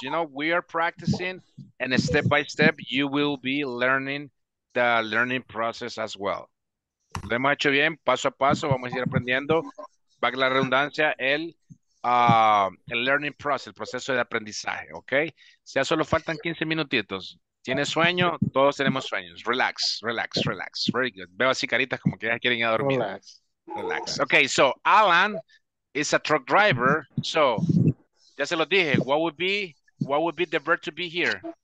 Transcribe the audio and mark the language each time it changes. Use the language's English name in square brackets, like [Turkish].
[English] You know, we are practicing, and step by step, you will be learning the learning process as well. [Spanish] Lo hemos hecho bien, paso a paso, vamos a ir aprendiendo, valga la redundancia, el learning process, el proceso de aprendizaje, ¿ok? Si ya solo faltan 15 minutitos, ¿tiene sueño? Todos tenemos sueños. Relax. [English] Very good. [Spanish] Veo así caritas como que ya quieren ir a dormir. [English] Relax. Ok, so Alan is a truck driver, so [Spanish] ya se lo dije, [English] what would be the verb to be here?